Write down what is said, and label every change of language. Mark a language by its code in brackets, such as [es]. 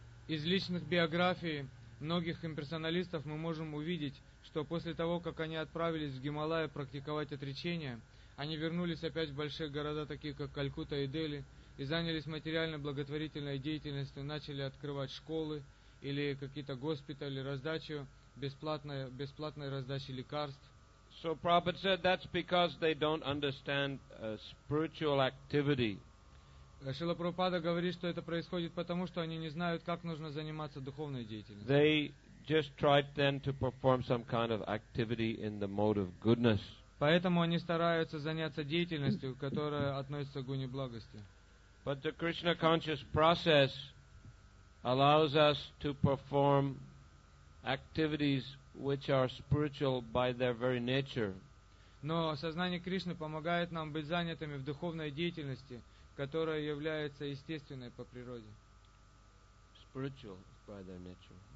[ru] Из личных биографий многих имперсоналистов мы можем увидеть, что после того, как они отправились в Гималаи практиковать отречение, они вернулись опять в большие города, такие как Калькутта и Дели, и занялись материальной благотворительной деятельностью, начали открывать школы или какие-то госпитали, раздачу бесплатной раздачи лекарств. [en] So Prabhupada said that's because they don't understand spiritual activity. [ru] Шрила Прабхупада говорит, что это происходит потому, что они не знают, как нужно заниматься духовной деятельностью. [en] They just tried then to perform some kind of activity in the mode of goodness. [ru] Поэтому они стараются заняться деятельностью, которая относится к гуне благости. [en] But the Krishna conscious process allows us to perform activities which are spiritual by their very nature. [ru] Но сознание Кришны помогает нам быть занятыми в духовной деятельности, которая является естественной по природе. [en] Spiritual by their nature.